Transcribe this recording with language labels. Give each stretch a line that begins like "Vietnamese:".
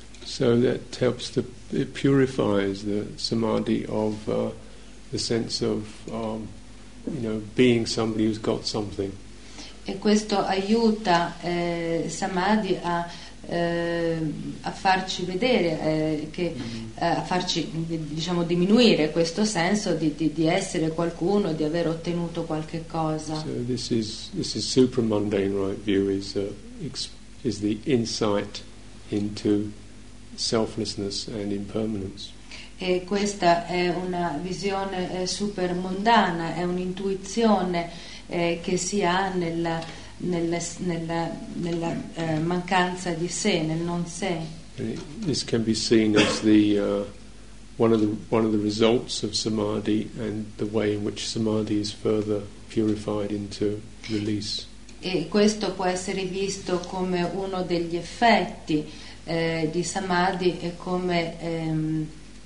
English: So that helps to, it purifies the samadhi of the sense of you know, being somebody who's got something.
Italian: E questo aiuta Samadhi a farci vedere, a farci diciamo diminuire questo senso di essere qualcuno, di aver ottenuto qualche cosa.
English: So this is super mundane right view is the insight into selflessness and impermanence.
Italian: E questa è una visione super mondana, è un'intuizione che si ha nella mancanza di sé, nel non sé.
English: This can be seen as the one of the results of samadhi and the way in which samadhi is further purified into release.
Italian: E questo può essere visto come uno degli effetti di samadhi e come